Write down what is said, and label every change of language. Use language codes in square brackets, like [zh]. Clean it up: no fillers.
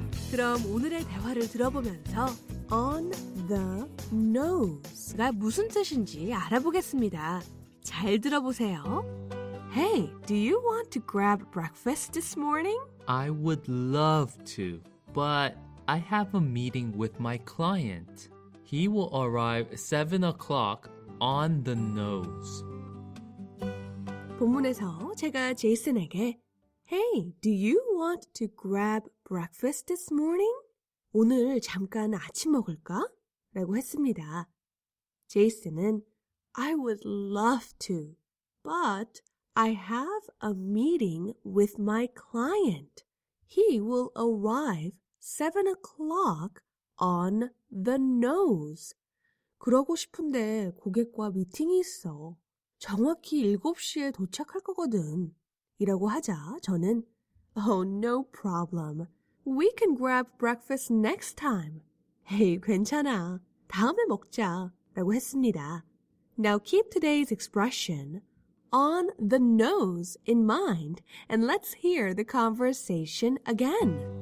[ko] 그럼 오늘의 대화를 들어보면서 on the nose가 무슨 뜻인지 알아보겠습니다. 잘 들어보세요. [en] Hey, do you want to grab breakfast this morning? I would love to, but I have a meeting with my client. He will arrive 7 o'clock on the nose. [ko] 본문에서 제가 제이슨에게 [en] Hey, do you want to grab breakfast this morning? [ko] 오늘 잠깐 아침 먹을까? 라고 했습니다. 제이슨은 [en] I would love to, but I have a meeting with my client. He will arrive 7 o'clock on the nose. [ko] 그러고 싶은데 고객과 미팅이 있어. 정확히 7시에 도착할 거거든. 이라고 하자 저는 [en] Oh, no problem. We can grab breakfast next time. [ko] Hey, 괜찮아. 다음에 먹자. 라고 했습니다. [en] Now keep today's expression on the nose in mind, and let's hear the conversation again.